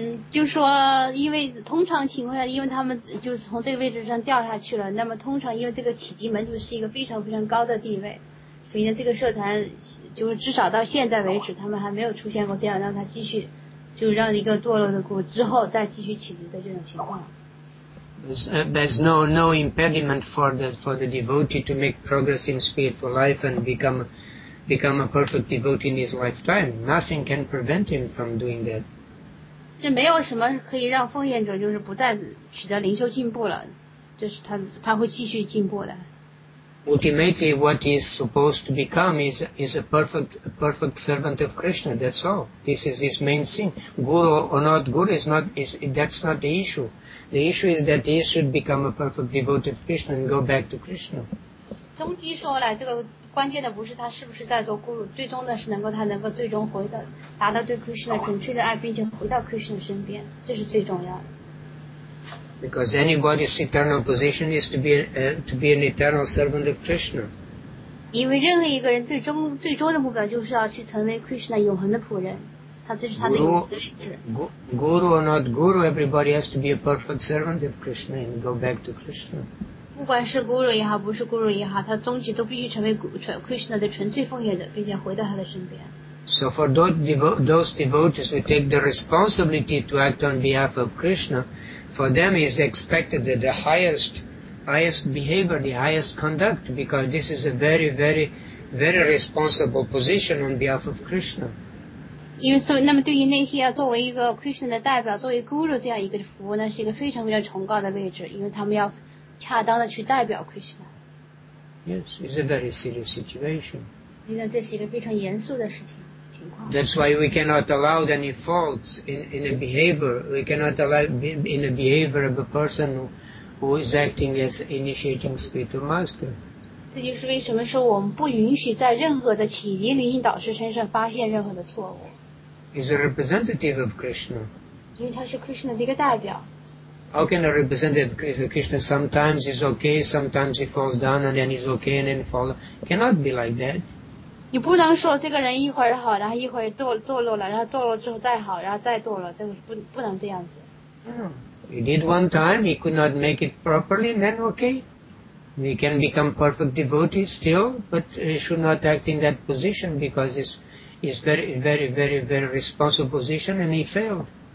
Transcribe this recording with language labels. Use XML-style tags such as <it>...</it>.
<zh>就说因为通常情况下，因为他们就是从这个位置上掉下去了，那么通常因为这个启迪门就是一个非常非常高的地位，所以呢这个社团就是至少到现在为止他们还没有出现过这样让他继续就让一个堕落的过之后再继续启迪的这种情况。</zh> <en>There's no impediment for the devotee to make progress in spiritual life and become a perfect devotee in his lifetime. Nothing can prevent him from doing that.</en> <zh>这没有什么可以让奉献者就是不再取得灵修进步了，就是他会继续进步的。</zh> <en>Ultimately, what he is supposed to become is a perfect servant of Krishna. That's all. This is his main thing. Guru or not guru that's not the issue. The issue is that he should become a perfect devotee of Krishna and go back to Krishna.</en> <zh>总体说来，这个关键的不是他是不是在做guru，最终的是能够最终回的达到对 Krishna 准确的爱，并且回到 Krishna 身边，这是最重要的。</zh> <en>Because anybody's eternal position is to be an eternal servant of Krishna.</en> <zh>因为任何一个人最终的目标就是要去成为 Krishna 永恒的仆人，他这是他的永恒的位置。</zh> <en>Guru or not guru, everybody has to be a perfect servant of Krishna and go back to Krishna.</en> <zh>不管是 guru 也好，不是 guru 也好，他终极都必须成为 Krishna 的纯粹奉献者，并且回到他的身边。</zh> <en>So for those devotees who take the responsibility to act on behalf of Krishna, for them is expected that the highest highest behavior, the highest conduct, because this is a very, very, very responsible position on behalf of Krishna.</en> <zh>因为所以，那么对于那些要作为一个 Krishna 的代表，作为 Guru 这样一个服务呢，是一个非常非常崇高的位置，因为他们要恰当的去代表 Krishna。</zh> <en>Yes, it's a very serious situation.</en> <zh>因为这是一个非常严肃的事情情况。</zh> <en>That's why we cannot allow any faults in a behavior. We cannot allow in a behavior of a person who is acting as initiating spiritual master.</en> <zh>这就是为什么说我们不允许在任何的企及灵性导师身上发现任何的错误。</zh> <en>He's a representative of Krishna.</en> <zh>因为他是 Krishna 的一个代表。</zh> <en>How can a representative of Krishna sometimes is okay, sometimes he falls down and then he's okay and then fall? Cannot be like that.</en> <zh>你不能说这个人一会儿好，然后一会儿堕落了，然后堕落之后再好，然后再堕落，这个不能这样子。</zh> <en>Yeah. He did one time, he could not make it properly, and then okay. We can become perfect devotees still, but we should not act in that position because it's very, very, very, very responsible position and he failed.</en>